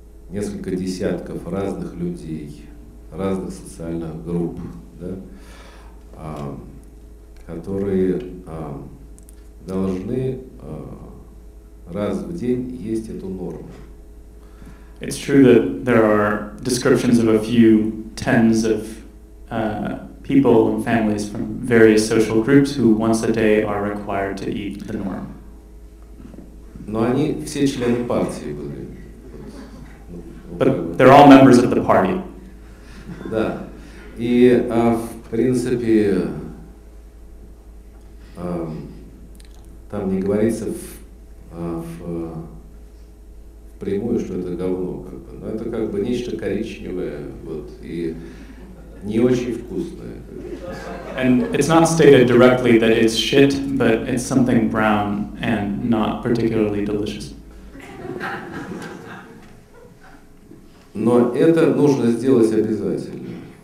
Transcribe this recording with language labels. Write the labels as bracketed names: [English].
[Russian] несколько десятков разных людей, разных социальных групп, да, которые должны раз в день есть эту норму. [English] It's true that there are descriptions of a few tens of people and families from various social groups who once a day are required to eat the norm. [Russian] Но они все члены партии были. [English] But they're all members of the party. [Russian] Да. И, в принципе, там не говорится в прямую, что это говно, как бы. Но это как бы нечто коричневое, вот, и не очень вкусное. [English] And it's not stated directly that it's shit, but it's something brown and not particularly delicious. [Russian] Но это нужно сделать обязательно.